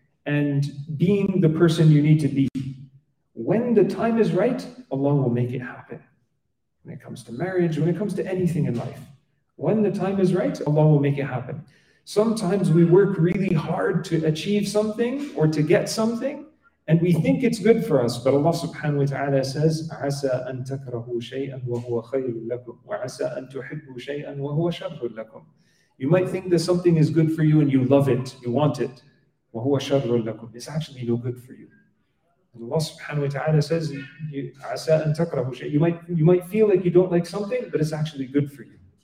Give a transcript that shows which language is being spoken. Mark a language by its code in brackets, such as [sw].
[en] And being the person you need to be, when the time is right, Allah will make it happen. When it comes to marriage, when it comes to anything in life. When the time is right, Allah will make it happen. Sometimes we work really hard to achieve something or to get something, and we think it's good for us. But Allah subhanahu wa ta'ala says, [ar] عَسَىٰ أَن تَكْرَهُوا شَيْئًا وَهُوَ خَيْرٌ لَكُمْ وَعَسَىٰ أَن تُحِبُّوا شَيْئًا وَهُوَ شَرٌ لَكُمْ. [en] You might think that something is good for you and you love it, you want it. [ar] وَهُوَ شَرٌ لَكُمْ. [en] It's actually no good for you. And Allah subhanahu wa ta'ala says, [ar] عَسَىٰ أَن تَكْرَهُوا شَيْئًا. [en] You might feel like you don't like something, but it's actually good for you.